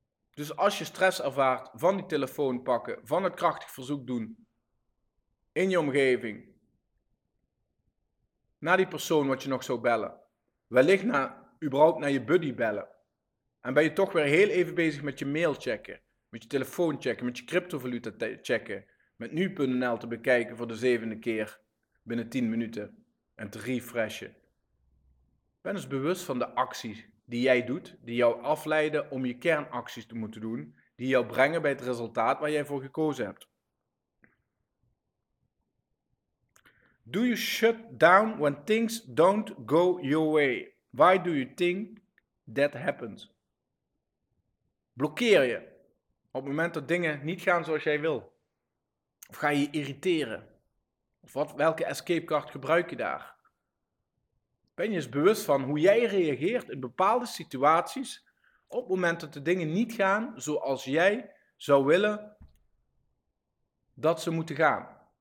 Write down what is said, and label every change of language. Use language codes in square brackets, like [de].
[nl] Dus als je stress ervaart van die telefoon pakken, van het krachtig verzoek doen in je omgeving, naar die persoon wat je nog zou bellen, wellicht naar, überhaupt naar je buddy bellen, en ben je toch weer heel even bezig met je mail checken, met je telefoon checken, met je cryptovaluta checken, met nu.nl te bekijken voor de 7e keer binnen 10 minuten en te refreshen. Ben eens bewust van de acties die jij doet, die jou afleiden om je kernacties te moeten doen, die jou brengen bij het resultaat waar jij voor gekozen hebt. [en] Do you shut down when things don't go your way? Why do you think that happens? [nl] Blokkeer je op het moment dat dingen niet gaan zoals jij wil? Of ga je je irriteren? Of welke escape card gebruik je daar? Ben je eens bewust van hoe jij reageert in bepaalde situaties op het moment dat de dingen niet gaan zoals jij zou willen dat ze moeten gaan?